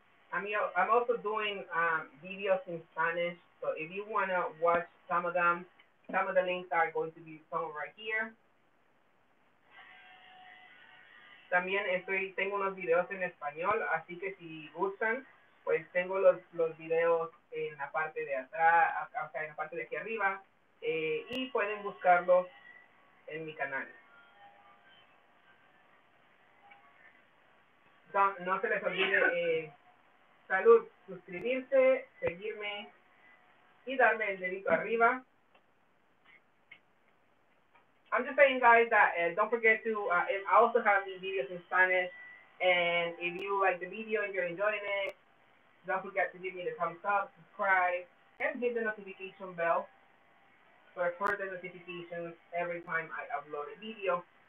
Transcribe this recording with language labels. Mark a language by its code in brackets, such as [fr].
[en] I'm also doing videos in Spanish, so if you want to watch some of them, some of the links are going to be somewhere right here. [es] También estoy, tengo unos videos en español, así que si gustan, pues tengo los videos en la parte de atrás, o sea, en la parte de aquí arriba, y pueden buscarlos en mi canal. No se les olvide... Salud, suscribirse, seguirme y darme el dedito arriba. [en] I'm just saying, guys, that don't forget to, I also have these videos in Spanish. And if you like the video and you're enjoying it, don't forget to give me the thumbs up, subscribe, and hit the notification bell for further notifications every time I upload a video.